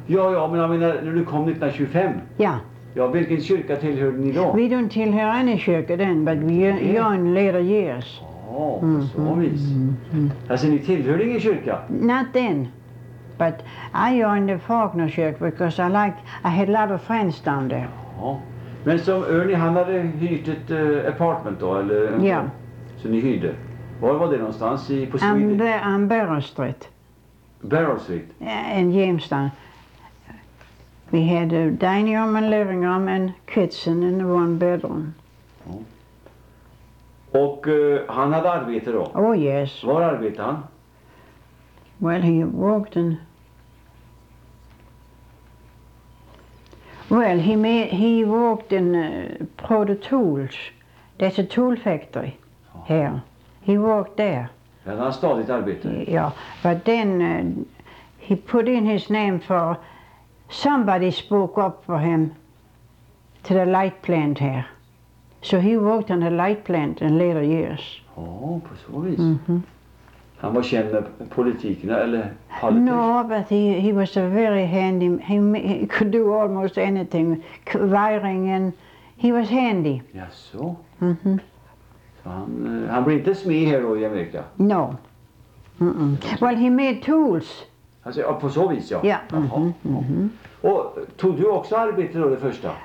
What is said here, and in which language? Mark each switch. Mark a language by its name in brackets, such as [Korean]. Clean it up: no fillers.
[Swedish] Ja, men jag menar, när du kom 1925. Ja. Ja, vilken kyrka tillhörde ni då? [English] We don't [Swedish] tillhör [English] any [Swedish] kyrka [English] then, but we joined later years. [Swedish] Oh, mm-hmm. Så vis. Alltså, ni tillhörde ingen kyrka? [English] Not then. But I joined the Faulkner church because I had a lot of friends down there. [Swedish] Ja. Men som Ernie, han hade hyrt ett apartment då, eller? Ja. Så ni hyrde. Var var det någonstans på Sweden? [English] On Barrow Street. Barrow Street? Ja, in Jamestown. We had a dining room and living room and kitchen in one bedroom. [Swedish] Ja. Och han hade arbete då? [English] Oh yes. [Swedish] Var arbetade han? [English] Well, he worked in. Well, he worked in Proto Tools. That's a tool factory here. He worked there. [Swedish] Ja, han stod ett arbete. [English] Ja, but then he put in his name for somebody spoke up for him to the light plant here. So he worked on the light plant in later years. [Swedish] Oh, på så vis. Mm-hmm. Han var känd med politikerna eller politik? [English] No, but he was a very handy. He could do almost anything, wiring, and he was handy. [Swedish] Ja, så. Mm-hmm. Så han blev inte smed här då i Amerika? [English] No. Mm-mm. Well, he made tools. [Swedish] Alltså, på så vis, ja. Yeah. Jaha. Mm-hmm. Och tog du också arbete då det första?